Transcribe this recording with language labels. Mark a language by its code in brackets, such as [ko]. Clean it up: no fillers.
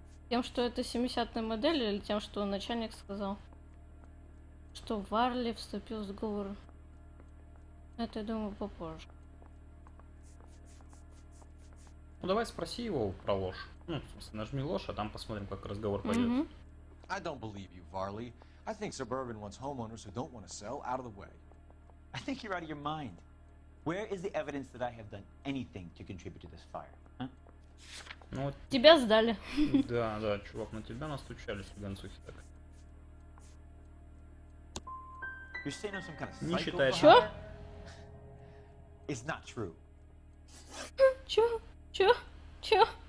[ru] Тем, что это 70-я модель, или тем, что начальник сказал? Что Варли вступил в сговор. Это, я думаю, попозже. Ну давай спроси его про ложь. Ну, в смысле, нажми ложь, а там посмотрим, как разговор пойдет. [en] I don't believe you, Varley. I think Suburban wants homeowners who don't want to sell out of the way. I think you're out of your mind. Where is the evidence that I have done anything to contribute to this fire? Huh? [ru] Ну, вот... Тебя сдали. Да, да, чувак, на тебя настучались в гонцухе так. [en] You're saying I'm some kind of psycho? [ru] Не считаешь? Чё? [en] It's not true. [ru] Чё? Чё? Чё?